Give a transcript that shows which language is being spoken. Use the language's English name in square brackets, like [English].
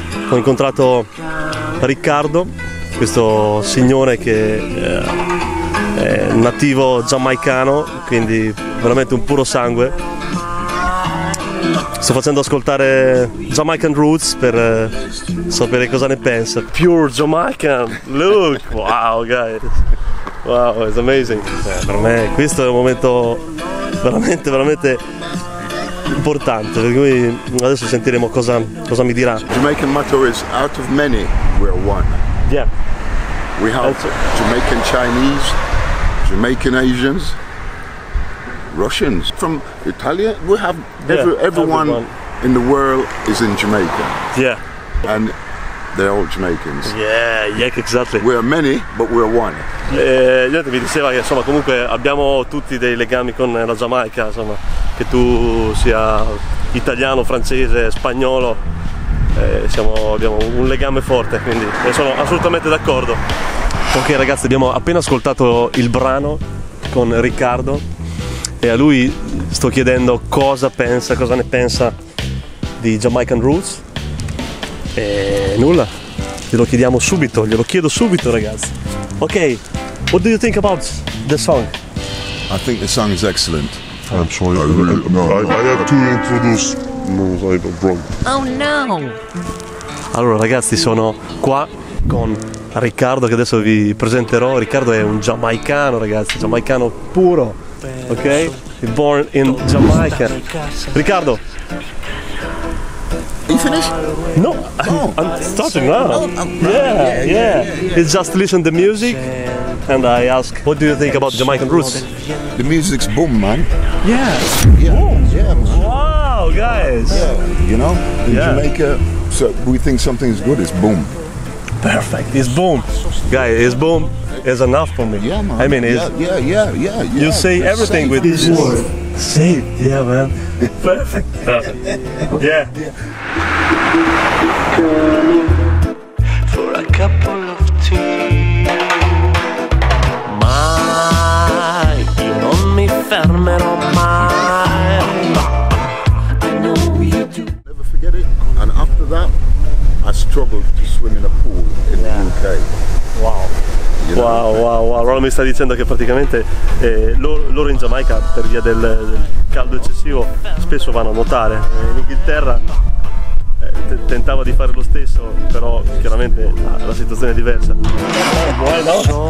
[Italian] Ho incontrato Riccardo, questo signore che è nativo giamaicano, quindi veramente un puro sangue. Sto facendo ascoltare Jamaican Roots per sapere cosa ne pensa. [English] Pure Jamaican, look, wow guys, wow, it's amazing. [Italian] Per me questo è un momento veramente, veramente importante, per cui adesso sentiremo cosa mi dirà. [English] Jamaican motto is out of many, we're one. Yeah. We have Jamaican Chinese, Jamaican Asians, Russians, from Italia, we have everyone in the world is in Jamaica. Yeah. And they're all Jamaicans. Yeah, exactly. We are many, but we are one. [Italian] Niente, mi diceva che insomma comunque abbiamo tutti dei legami con la Giamaica, insomma, che tu sia italiano, francese, spagnolo, abbiamo un legame forte, quindi sono assolutamente d'accordo. Ok, ragazzi, abbiamo appena ascoltato il brano con Riccardo. E a lui sto chiedendo cosa ne pensa di Jamaican Roots. E nulla, glielo chiedo subito, ragazzi. [English] Ok, what do you think about the song? I think the song is excellent. I'm sorry, I have to introduce. No, I'm wrong. Oh no! [Italian] Allora, ragazzi, sono qua con Riccardo, che adesso vi presenterò. Riccardo è un giamaicano, ragazzi, giamaicano puro. [English] Ok, born in Jamaica. Riccardo, are you finished? No, I'm starting now. Yeah. He just listened to the music and I ask, what do you think about Jamaican roots? The music's boom, man. Yeah. Wow, guys. Yeah. You know, in Jamaica, so we think something is good, it's boom. Perfect. It's boom, guys. It's boom. Is enough for me. Yeah, man. I mean, yeah. You say everything safe. With this word. Say, yeah, man. Perfect. Yeah. For a couple of tea. [Italian] Mai, io non mi fermerò mai. [English] I know you do. Never forget it. And after that, I struggled to swim in a pool in the UK. Wow. Wow. [Italian] Allora mi sta dicendo che praticamente loro in Giamaica, per via del caldo eccessivo, spesso vanno a nuotare. In Inghilterra tentava di fare lo stesso, però chiaramente la situazione è diversa. [English] Why not?